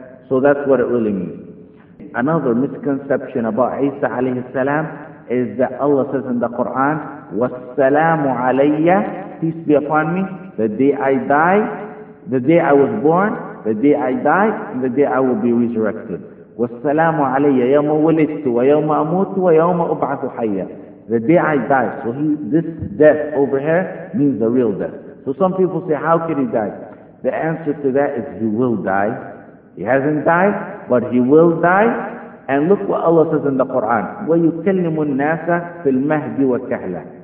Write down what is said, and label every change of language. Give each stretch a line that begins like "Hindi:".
English: So that's what it really means. Another misconception about Isa عليه السلام is that Allah says in the Quran,
Arabic: وَالسَّلَامُ عَلَيَّ,
English: peace be upon me, the day I die, the day I was born, the day I die, and the day I will be resurrected.
Arabic: وَالسَّلَامُ عَلَيَّ يَوْمَ وُلِدْتُ وَيَوْمَ أَمُوتُ وَيَوْمَ أُبْعَثُ حَيَّ,
English: the day I die. So this death over here means the real death. So some people say, how can he die? The answer to that is he will die. He hasn't died, but he will die. And look what Allah says in the Quran.
Arabic: وَيُكَلِّمُ النَّاسَ فِي الْمَهْدِ وَكَهْلًا.